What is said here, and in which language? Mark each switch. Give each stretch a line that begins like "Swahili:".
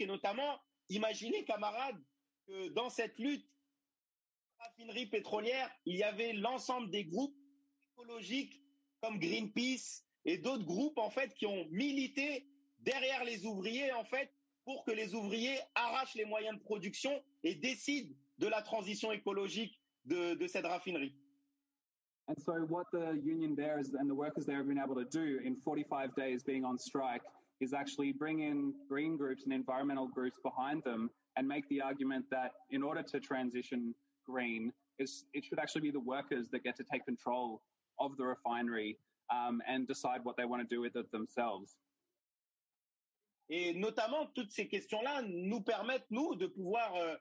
French: Et notamment, imaginez, camarades, que dans cette lutte, raffinerie pétrolière, il y avait l'ensemble des groupes écologiques comme Greenpeace et d'autres groupes, en fait, qui ont milité derrière les ouvriers, en fait, pour que les ouvriers arrachent les moyens de production et décident de la transition écologique de cette raffinerie.
English: And so what the union there is, and the workers there have been able to do in 45 days being on strike is actually bring in green groups and environmental groups behind them and make the argument that in order to transition green, it should actually be the workers that get to take control of the refinery and decide what they want to do with it themselves.
French: Et notamment, toutes ces questions-là nous permettent, nous, de pouvoir...